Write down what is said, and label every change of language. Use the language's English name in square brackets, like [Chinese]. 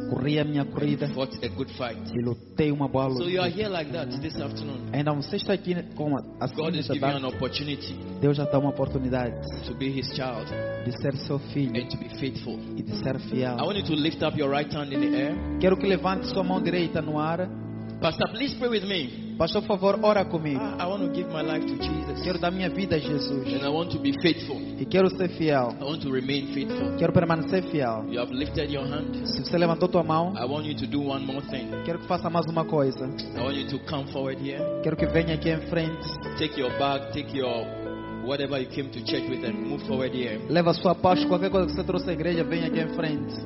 [Portuguese] Corri a minha corrida. [English] Fought a good fight. [Portuguese] E lutei uma boa luta. [English] So you are here like that this afternoon. [Portuguese] Então você está aqui como assim. [English] God is giving an opportunity. [Portuguese] Deus já dá uma oportunidade. [English] To be his child. [Portuguese] De ser seu filho. [English] And to be faithful. [Portuguese] E de ser fiel. [English] I want you to lift up your right hand in the air. [Portuguese] Quero que levante sua mão direita no ar. [English] Pastor, please pray with me. [Portuguese] Pastor, por favor, ora comigo. [English] I want to give my life to Jesus. [Portuguese] Quero dar minha vida a Jesus. [English] And I want to be faithful. [Portuguese] E quero ser fiel. [English] I want to remain faithful. [Portuguese] Quero permanecer fiel. [English] You have lifted your hand. [Portuguese] Se você levantou tua mão. [English] I want you to do one more thing. [Portuguese] Quero que faça mais uma coisa. [English] I want you to come forward here. [Portuguese] Quero que venha aqui em frente. [English] Take your bag, take your whatever you came to church with and move forward here. [Portuguese] Leva sua pasta, qualquer coisa que você trouxe à igreja, venha aqui em frente.